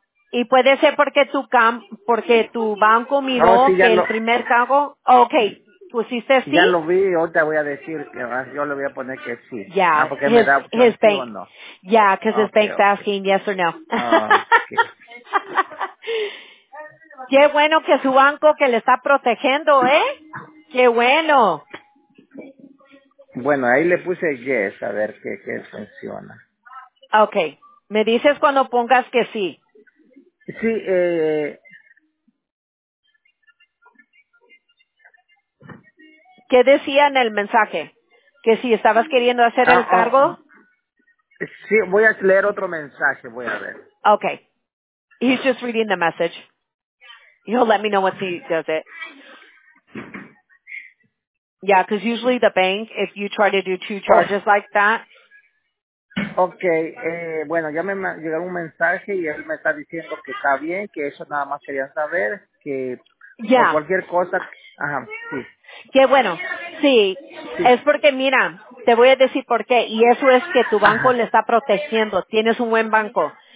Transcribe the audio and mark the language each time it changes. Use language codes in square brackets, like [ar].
[es] Y puede ser porque tu banco miró el primer pago. Okay, pusiste sí. Ya lo vi, ahorita voy a decir que yo le voy a poner que sí. Ya, yeah. Porque me da [en] his bank. No. Yeah, because his bank's asking yes or no. Okay. [es] Qué bueno que su banco que le está protegiendo, ¿eh? Qué bueno. Bueno, ahí le puse yes, a ver qué funciona. Okay, me dices cuando pongas que sí. Sí, ¿qué decía en el mensaje? ¿Que si estabas queriendo hacer el cargo? Sí, voy a leer otro mensaje, voy a ver. [en] Okay. He's just reading the message. He'll let me know once he does it. Yeah, because usually the bank, if you try to do two charges like that, [es] okay, bueno, ya me llegó un mensaje y él me está diciendo que está bien, que eso nada más quería saber, que por cualquier cosa, ajá, sí. Qué bueno, sí, es porque mira, te voy a decir por qué, y eso es que tu banco le está protegiendo, tienes un buen banco.